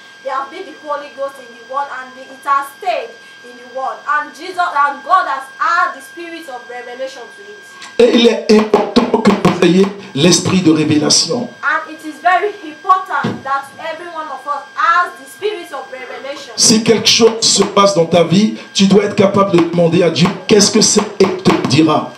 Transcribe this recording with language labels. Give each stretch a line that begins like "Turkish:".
English: There has been the Holy Ghost in the world and it has stayed in the world. And Jesus and God has had the spirit of revelation to it.
French: Et il est important que vous ayez l'esprit de révélation.
English: And it is very important that every one of us has the spirit of revelation.
French: Si quelque chose se passe dans ta vie, tu dois être capable de demander à Dieu qu'est-ce que c'est et te dira.